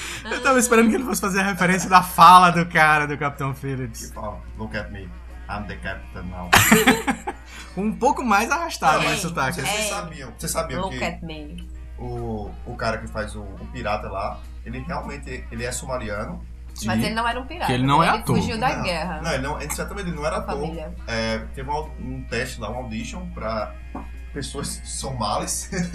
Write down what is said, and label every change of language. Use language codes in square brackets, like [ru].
[pt] Eu tava esperando que ele fosse fazer a referência da fala do cara, do Capitão Phillips. [en] Look at me, I'm the captain now. [pt] Um pouco mais arrastado no sotaque. Vocês sabiam [en] look [pt] que [en] at me. [pt] O cara que faz o pirata lá, ele realmente ele é sumariano. Sim. Mas ele não era um pirata. Que ele não é ele ator. Ele fugiu da guerra. Não, ele certamente não era ator. É, teve um teste lá, uma audition pra pessoas somalis.